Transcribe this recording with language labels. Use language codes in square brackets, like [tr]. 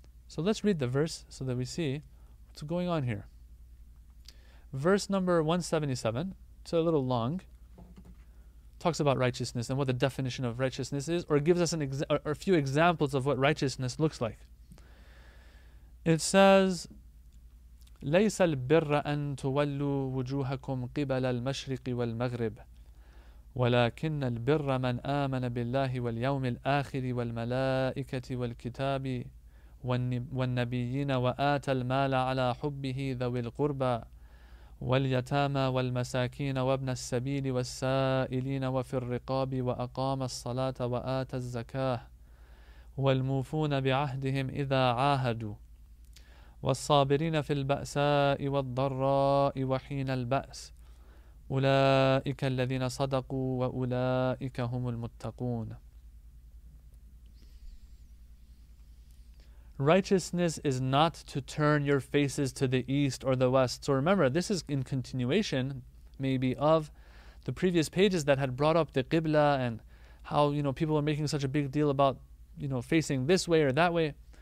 [en] So let's read the verse so that we see what's going on here. Verse number 177, it's a little long, talks about righteousness and what the definition of righteousness is, or gives us a few examples of what righteousness looks like. It says, [ar] لَيْسَ الْبِرَّ أَن تُوَلُّوا وُجُوهَكُمْ قِبَلَ الْمَشْرِقِ وَالْمَغْرِبِ ولكن البر من آمن بالله واليوم الآخر والملائكة والكتاب والنبيين وآتى المال على حبه ذوي القربى واليتامى والمساكين وابن السبيل والسائلين وفي الرقاب وأقام الصلاة وآتى الزكاة والموفون بعهدهم إذا عاهدوا والصابرين في البأساء والضراء وحين البأس أولئك الذين صدقوا وأولئك هم المتقون. [en] Righteousness is not to turn your faces to the east or the west. So remember, this is in continuation, maybe, of the previous pages that had brought up the Qibla and how, you know, people are making such a big deal about, you know, facing this way or that way.